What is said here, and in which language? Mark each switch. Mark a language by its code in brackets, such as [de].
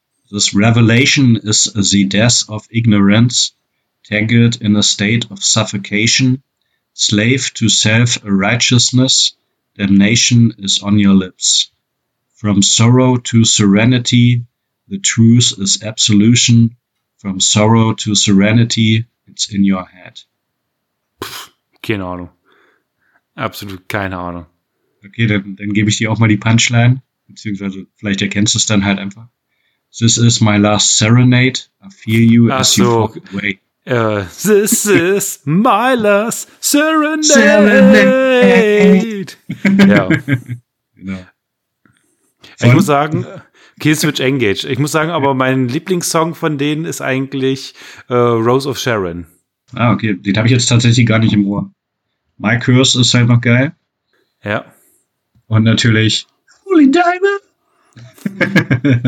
[en] This revelation is the death of ignorance, tangled in a state of suffocation, slave to self-righteousness, damnation is on your lips. From sorrow to serenity, the truth is absolution. From sorrow to serenity, it's in your head. [de] Pff, keine Ahnung. Absolut keine Ahnung. Okay, dann gebe ich dir auch mal die Punchline. Beziehungsweise vielleicht erkennst du es dann halt einfach. [en] This is my last serenade. I feel you [de] Ach [en] as [de] so. [en] You walk away. This is my last serenade. [de] Ja. Genau. Ich muss sagen, Killswitch Engage. Ich muss sagen, aber mein Lieblingssong von denen ist eigentlich Rose of Sharon. Ah, okay. Den habe ich jetzt tatsächlich gar nicht im Ohr. My Curse ist halt noch geil. Ja. Und natürlich Holy Diamond.